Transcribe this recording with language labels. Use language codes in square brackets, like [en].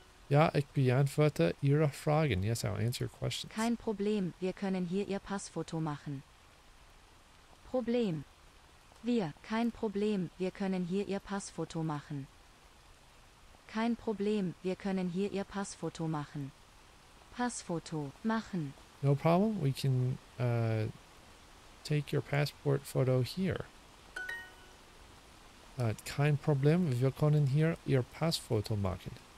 [de] Ja, ich beantworte Ihre Fragen. [en] Yes, I'll answer your questions. [de] Kein Problem, wir können hier Ihr Passfoto machen. Problem. Wir, kein Problem, wir können hier Ihr Passfoto machen. Kein Problem, wir können hier Ihr Passfoto machen. Passfoto machen. [en] No problem, we can take your passport photo here. [de] Kein Problem, wir können hier Ihr Passfoto machen.